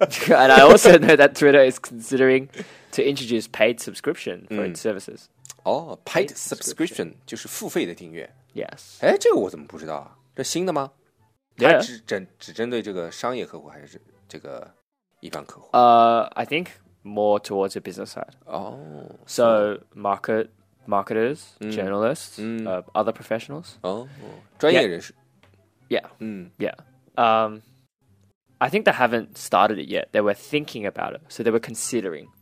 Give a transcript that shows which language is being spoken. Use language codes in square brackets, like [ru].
[en] And I also know that Twitter is considering to introduce paid subscription for its services. [zh] Oh, paid subscription 就是付费的订阅。 [en] Yes. [zh] 哎，这个我怎么不知道？这新的吗？ [en] Yeah. [zh] 它只针对这个商业客户还是这个一般客户？ [en] I think more towards the business side. Oh. So marketers, journalists, other professionals. [zh] Oh, 专业人士。 [en] Yeah. Yeah. I think they haven't started it yet. They were thinking about it, so they were considering.